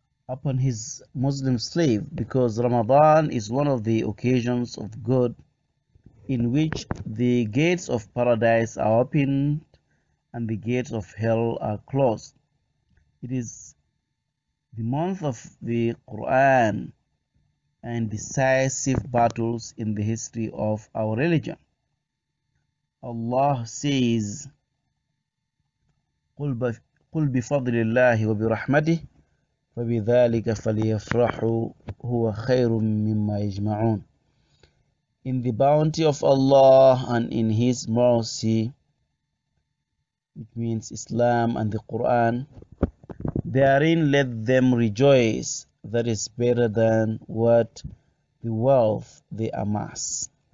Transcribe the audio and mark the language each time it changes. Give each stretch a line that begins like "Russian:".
English: Upon His Muslim slave, because Ramadan is one of the occasions of good in which the gates of paradise are opened and the gates of hell are closed. It is the month of the Quran and decisive battles in the history of our religion. Allah says,
Arabic: قُلْ بِفَضْلِ اللَّهِ وَبِرَحْمَتِهِ فَبِذَٰلِكَ فَلْيَفْرَحُوا هُوَ خَيْرٌ مِّمَّا يَجْمَعُونَ.
English: In the bounty of Allah and in His mercy, it means Islam and the Quran, therein let them rejoice, that is better than what the wealth they amass.